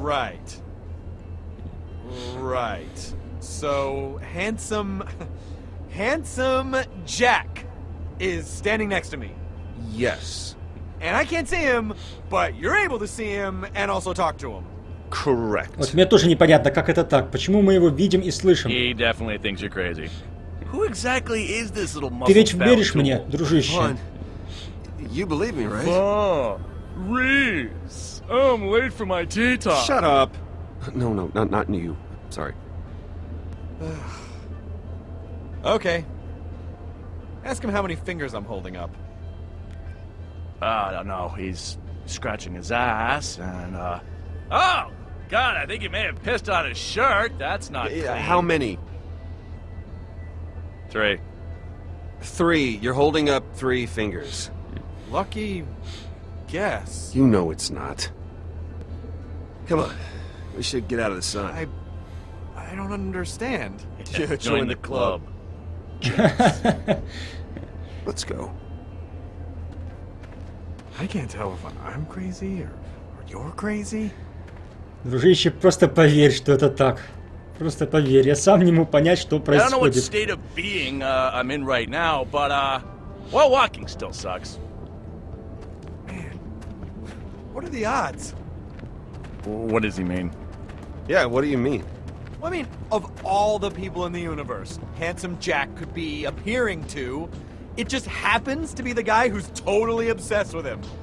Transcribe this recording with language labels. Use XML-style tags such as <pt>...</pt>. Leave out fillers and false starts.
<en>Right. Right. So, Handsome... Handsome Jack is standing next to me. Yes. And I can't see him, but you're able to see him and also talk to him. Correct.</en> <ru>Вот мне тоже непонятно, как это так. Почему мы его видим и слышим?</ru> <en>He definitely thinks you're crazy. Who exactly is this little muscle?</en> <ru>Ты ведь веришь мне, дружище?</ru> <en>Come on. You believe me, right? Reese, I'm late for my tea talk. Shut up. No, no, not you. Sorry. Okay. Ask him how many fingers I'm holding up. I don't know. He's scratching his ass, and, Oh! God, I think he may have pissed on his shirt. That's not clean. How many? Three. Three. You're holding up three fingers. Lucky guess. You know it's not. Come on. We should get out of the sun. I don't understand. Join the club. Let's go. I can't tell if I'm crazy or you're crazy.</en> <ru>Дружище, просто поверь, что это так. Просто поверь, я сам не могу понять, что происходит.</ru> <en>I don't know what state of being I'm in right now, but well, walking still sucks. Man, what are the odds? What does he mean? Yeah, what do you mean? I mean, of all the people in the universe, Handsome Jack could be appearing to, it just happens to be the guy who's totally obsessed with him.</en>